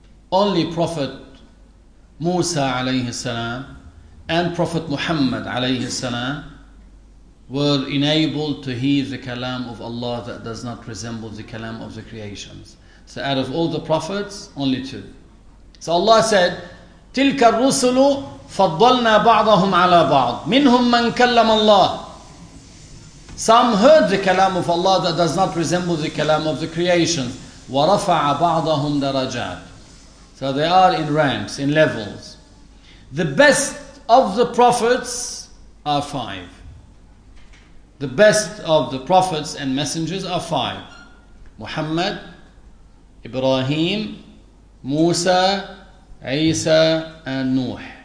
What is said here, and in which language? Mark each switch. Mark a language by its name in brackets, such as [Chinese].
[English] Only Prophet Musa alayhi salam and Prophet Muhammad alayhi salam were enabled to hear the kalam of Allah that does not resemble the kalam of the creations. So out of all the prophets, only two. So Allah said, [Arabic] تِلْكَ الرُّسُلُ فَضَّلْنَا بَعْضَهُمْ عَلَىٰ بَعْضٍ مِنْهُمْ مَنْ كَلَّمَ اللَّهِ. [English] Some heard the kalam of Allah that does not resemble the kalam of the creations. [Arabic] وَرَفَعَ بَعْضَهُمْ دَرَجَاتٍ. [English] So they are in ranks, in levels. The best of the prophets are five. The best of the prophets and messengers are five: Muhammad, Ibrahim, Musa, Isa, and Nuh.